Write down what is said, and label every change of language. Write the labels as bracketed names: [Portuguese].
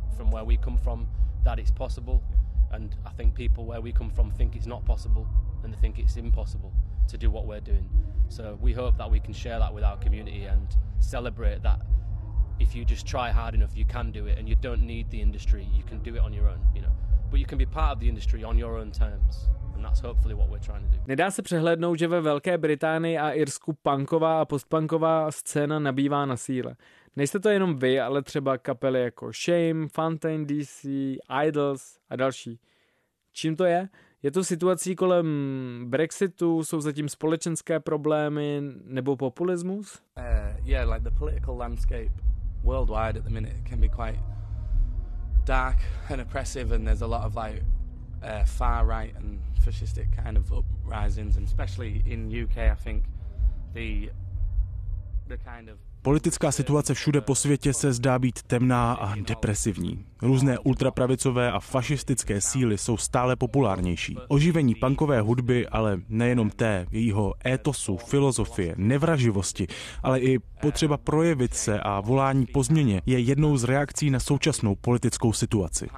[English] from where we come from that it's possible, and I think people where we come from think it's not possible and they think it's impossible to do what we're doing. So we hope that we can share that with our community and celebrate that if you just try hard enough you can do it, and you don't need the industry, you can do it on your own, you know, but you can be part of the industry on your own terms. And that's hopefully what we're trying to do. [Czech] Nedá se přehlédnout, že ve Velké Británii a Irsku punková a postpunková scéna nabývá na síle. Nejste to jenom vy, ale třeba kapely jako Shame, Fountain DC, Idols a další. Čím to je? Je to situací kolem Brexitu, jsou zatím společenské problémy nebo populismus? [English] Yeah, like the political landscape worldwide at the minute can be quite dark and oppressive, and there's a lot of like far right and fascistic kind of uprisings, and especially in UK, I think the kind of [Czech] politická situace všude po světě se zdá být temná a depresivní. Různé ultrapravicové a fašistické síly jsou stále populárnější. Oživení punkové hudby, ale nejenom té, jejího étosu, filozofie, nevraživosti, ale i potřeba projevit se a volání po změně je jednou z reakcí na současnou politickou situaci.